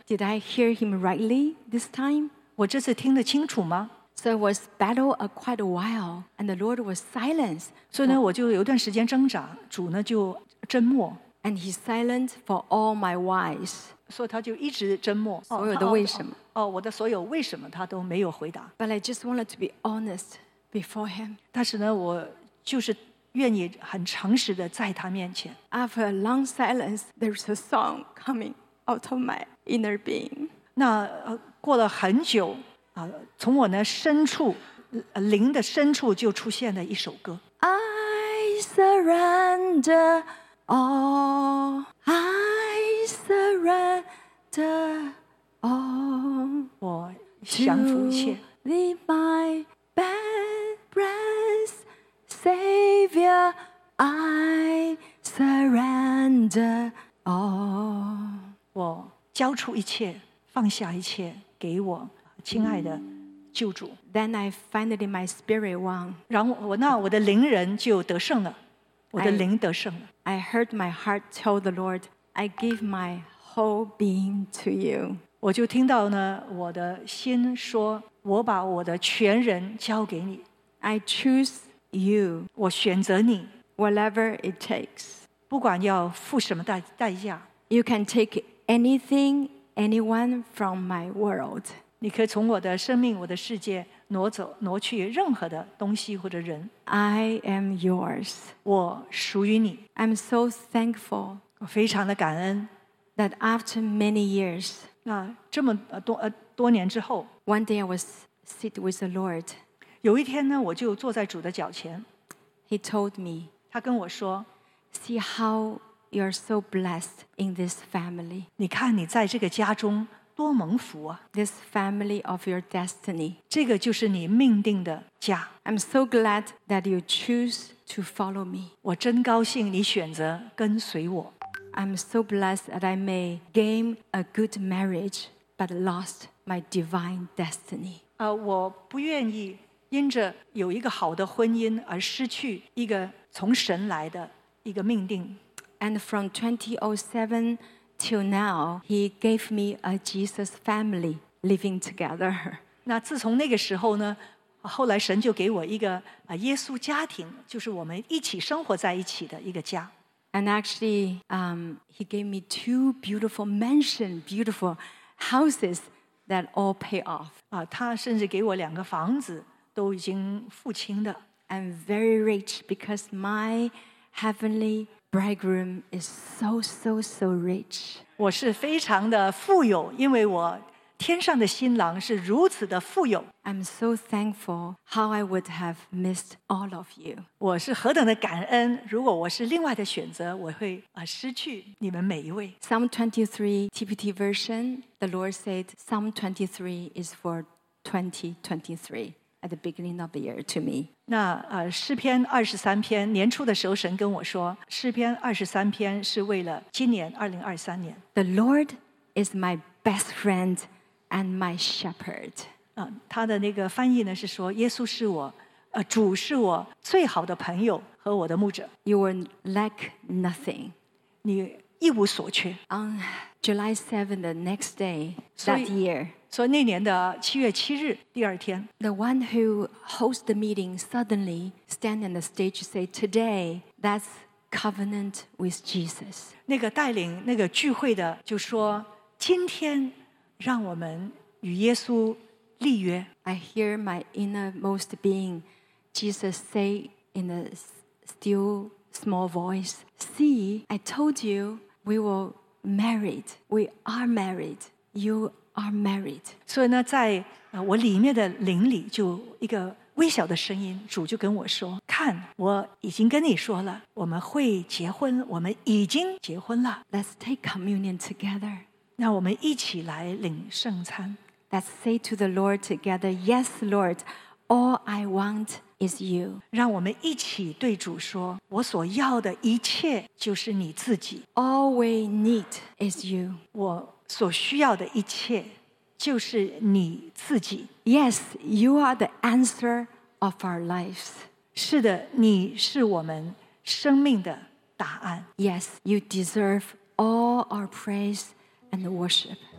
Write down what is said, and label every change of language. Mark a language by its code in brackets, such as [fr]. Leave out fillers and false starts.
[en] Did I hear him rightly this time? [zh] 我这次听得清楚吗？ [en] So it was battle a quite a while, and the Lord was silent. [zh] 所以呢，我就有段时间挣扎，主呢就沉默。 [en] And he silent for all my whys. [zh] 所以他就一直沉默。所有的为什么？我的所有为什么他都没有回答。 [en] But I just wanted to be honest before him. [zh] 但是呢，我就是愿意很诚实的在他面前。 [en] After a long silence, there's a song coming out of my inner being. [zh] 那过了很久。从我呢深处灵的深处就出现了一首歌。 [en] I surrender all, I surrender all. [zh] 我降服一切。 [en] To thee, my best Savior, I surrender all. [zh] 我交出一切，放下一切，给我。亲爱的救主。 [en] Then I finally my spirit won. [zh] 然后我的灵人就得胜了，我的灵得胜了。 [en] I heard my heart tell the Lord, I give my whole being to you. [zh] 我就听到呢，我的心说，我把我的全人交给你。 [en] I choose you. [zh] 我选择你。 [en] Whatever it takes. [zh] 不管要付什么代价。 [en] You can take anything, anyone from my world. [zh] 你可以从我的生命我的世界挪去任何的东西或者人。 [en] I am yours. [zh] 我属于你。 [en] I'm so thankful. [zh] 我非常的感恩。 [en] That after many years, [zh] 那这么多年之后， [en] One day I was sit with the Lord. [zh] 有一天呢，我就坐在主的脚前。 [en] He told me, [zh] 他跟我说 [en] See how you're so blessed in this family. [zh] 你看你在这个家中多蒙福啊。 [en] This family of your destiny. [zh] 这个就是你命定的家。 [en] I'm so glad that you choose to follow me. [zh] 我真高兴你选择跟随我。 [en] I'm so blessed that I may gain a good marriage, but lost my divine destiny. [zh] 我不愿意因着有一个好的婚姻而失去一个从神来的一个命定。 [en] And from 2007 till now, he gave me a Jesus family living together. [zh] 那自从那个时候呢，后来神就给我一个耶稣家庭，就是我们一起生活在一起的一个家。 [en] And actually, he gave me two beautiful mansions, beautiful houses that all pay off. [zh] 他甚至给我两个房子都已经付清的。 [en] I'm very rich because my heavenly bridegroom is so, so, so rich. [zh] 我是非常的富有，因为我天上的新郎是如此的富有。 [en] I'm so thankful how I would have missed all of you. [zh] 我是何等的感恩，如果我是另外的选择，我会失去你们每一位。 [en] Psalm 23 TPT version, the Lord said, Psalm 23 is for 2023. At the beginning of the year to me. [zh] 那诗篇二十三篇年初的时候神跟我说诗篇二十三篇是为了今年2023年。 [en] The Lord is my best friend and my shepherd. [zh] 他的那个翻译呢是说耶稣是我主是我最好的朋友和我的牧者。 [en] You will lack nothing. [zh] 你一无所缺。 [en] On July 7th, the next day, that year, [zh] 所以那年的七月七日第二天 [en] The one who hosts the meeting suddenly stand on the stage to say Today, that's covenant with Jesus [zh] 那个带领那个聚会的就说今天让我们与耶稣立约 [en] I hear my innermost being Jesus say in a still small voice See, I told you we were married We are married You are married. [zh] 所以呢在我里面的灵里就一个微小的声音主就跟我说看我已经跟你说了我们会结婚我们已经结婚了。 [en] Let's take communion together. [zh] 那我们一起来领圣餐。 [en] Let's say to the Lord together, Yes, Lord, all I want is you. [zh] 让我们一起对主说我所要的一切就是你自己。 [en] All we need is you. [zh] 我所需要的一切就是你自己。 [en] Yes, you are the answer of our lives. [zh] 是的，你是我们生命的答案。 [en] Yes, you deserve all our praise and worship.